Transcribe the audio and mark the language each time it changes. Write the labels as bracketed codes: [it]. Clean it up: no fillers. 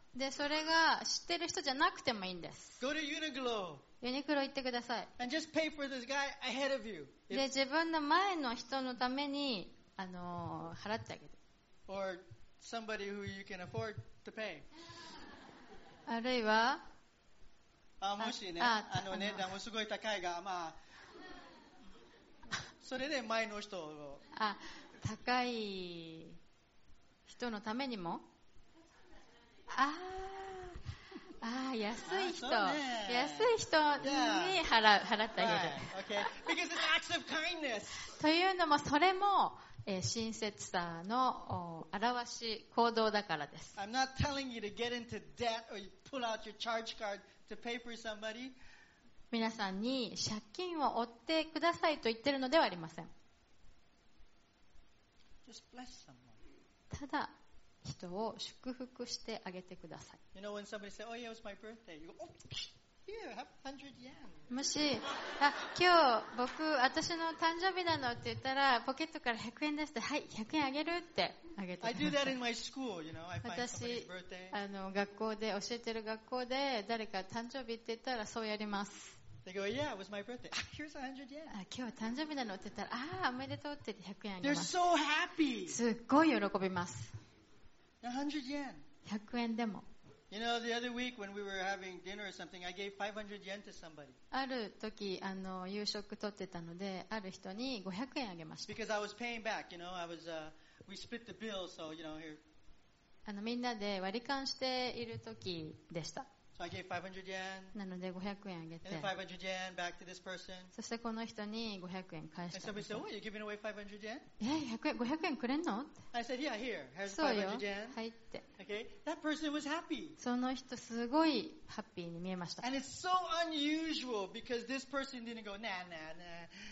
[ja] でそれが知ってる人じゃなくてもいいんです。 [en] Go to Uniqlo. [ja] ユニクロ行ってください。 [en] And just pay for this guy ahead of you. [ja] で自分の前の人のために払ってあげる。 [en] Or somebody who you can afford to pay. [ja] あるいはあもしね、あの値段もすごい高いが、まあ、それで前の人を高い人のためにも、ああ安い人、ね、安い人に払ってあげる。 [en] Okay. Because it's acts of kindness. [ja] というのもそれも、親切さの表し行動だからです。 [en] I'm not telling you to get into debt or pull out your charge card to pay for somebody. [ja] 皆さんに借金を負ってくださいと言ってるのではありません。 [en] Just bless someone. [ja] ただ人を祝福してあげてください。 [en] You know, when somebody says, "Oh yeah, it was my birthday," you go, "Oh, here, have 100 yen." [ja] もし、あ、今日僕私の誕生日なのって言ったら、ポケットから100円出して、はい、100円あげるってあげてください。 [en] I do that in my school, you know. I find somebody's birthday. [ja] 私、学校で教えてる学校で誰か誕生日って言ったらそうやります。 [en] They go, "Yeah, it was my birthday. Here's 100 yen." [ja] 今日誕生日なのって言ったら、ああ、おめでとうって100円あげます。 [en] They're so happy. [ja] すっごい喜びます。 [en] 100 [ja] yen. でも。 [en] You know, the other week when we were having dinner or something, I gave 500 yen to somebody. [ja] ある時夕食取ってたので、ある人に500円あげました。 [en] Because I was paying back, you know, I was, we split the bill, so, you know, here. [ja] みんなで割り勘している時でした。 [en] So I gave 500 yen. [ja] なので500円あげて。 [en] And then 500 yen back to this person. [ja] そしてこの人に500円返した。 [en] And somebody said, "Oh, you're giving away 500 yen?" [ja] え、500円くれんの？ [en] I said, "Yeah, here. Here's 500 yen." [ja] そうよ。入って。 [en] Okay. That person was happy. [ja] その人すごいハッピーに見えました。 [en] And it's so unusual because this person didn't go, "Nah, nah, nah.